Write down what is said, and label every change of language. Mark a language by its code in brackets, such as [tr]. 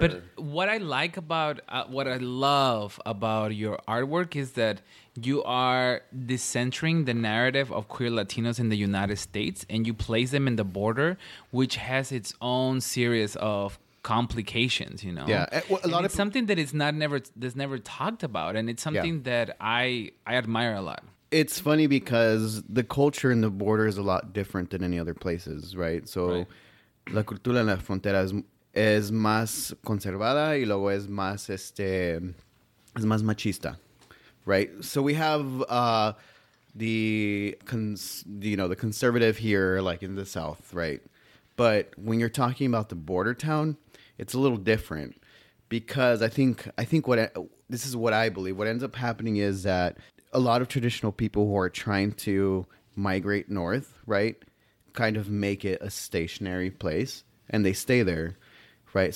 [en] But what I like about, what I love about your artwork is that you are decentering the narrative of queer Latinos in the United States and you place them in the border, which has its own series of complications, you know? Yeah. Something that is that's never talked about and it's something that I admire a lot. It's funny because the culture in the border is a lot different than any other places, right? [es] So, la cultura en la frontera es más conservada y luego es más, es más machista, right? [en] So, we have the conservative here, like in the South, right? But when you're talking about the border town, it's a little different because I think this is what I believe. What ends up happening is that a lot of traditional people who are trying to migrate north, right, kind of make it a stationary place and they stay there, right?